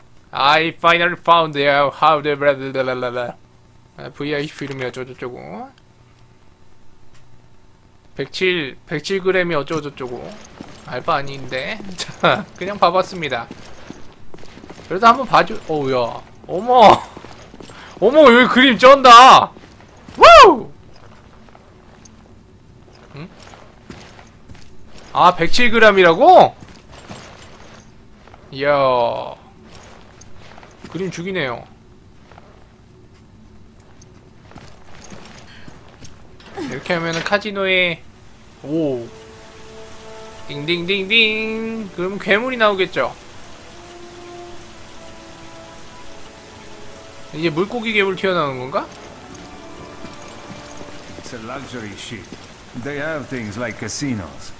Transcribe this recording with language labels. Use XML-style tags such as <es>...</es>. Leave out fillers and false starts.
<en>I finally found out how the blablabla.</en> <ko>아, VIP 이름이 어쩌고저쩌고. 107g이 어쩌고저쩌고. 알바 아닌데. 자, 그냥 봐봤습니다. 그래도 한번 봐줘. 어우, 야. 어머. 어머, 여기 그림 쩐다. 와우! 응? 아, 107g이라고? 이야. 그림 죽이네요. 이렇게 하면은 카지노에. 오. 띵띵띵띵. 그럼 괴물이 나오겠죠? 이제 물고기 괴물 튀어나오는 건가?</ko> <en>It's a luxury ship. They have things like casinos.</en>